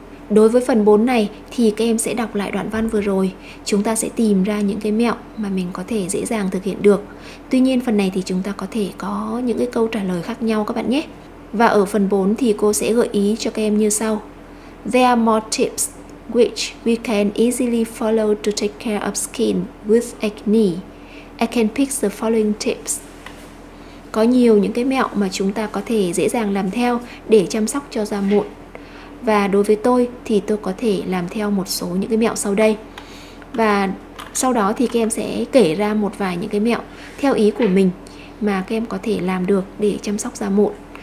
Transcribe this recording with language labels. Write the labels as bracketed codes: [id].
[vi] Đối với phần 4 này thì các em sẽ đọc lại đoạn văn vừa rồi. Chúng ta sẽ tìm ra những cái mẹo mà mình có thể dễ dàng thực hiện được. Tuy nhiên phần này thì chúng ta có thể có những cái câu trả lời khác nhau các bạn nhé. Và ở phần 4 thì cô sẽ gợi ý cho các em như sau. [en] There are more tips. which we can easily follow to take care of skin with acne. I can pick the following tips. [vi] Có nhiều những cái mẹo mà chúng ta có thể dễ dàng làm theo để chăm sóc cho da mụn. Và đối với tôi thì tôi có thể làm theo một số những cái mẹo sau đây. Và sau đó thì các em sẽ kể ra một vài những cái mẹo theo ý của mình mà các em có thể làm được để chăm sóc da mụn.